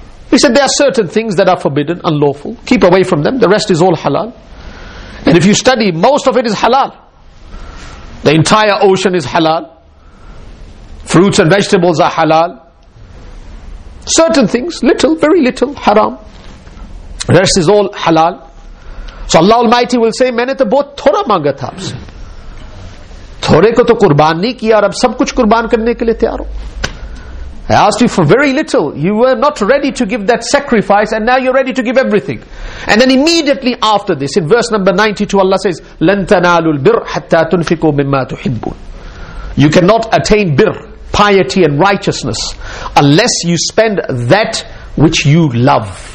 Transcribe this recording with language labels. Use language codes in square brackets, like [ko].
[en] He said there are certain things that are forbidden, unlawful. Keep away from them. The rest is all halal. And if you study, most of it is halal. The entire ocean is halal. Fruits and vegetables are halal. Certain things, little, very little, haram. The rest is all halal. So Allah Almighty will say, [hi] मैंने तो बहुत थोड़ा मांगा था आपसे. थोड़े को तो क़ुर्बान नहीं किया और अब सब कुछ क़ुर्बान करने के लिए तैयार हो. [en] I asked you for very little. You were not ready to give that sacrifice and now you're ready to give everything. And then immediately after this, in verse number 92, Allah says, [ar] لَن تَنَالُوا الْبِرَّ حَتَّى تُنْفِقُوا مِمَّا تُحِبُّونَ. [en] You cannot attain birr, piety and righteousness, unless you spend that which you love.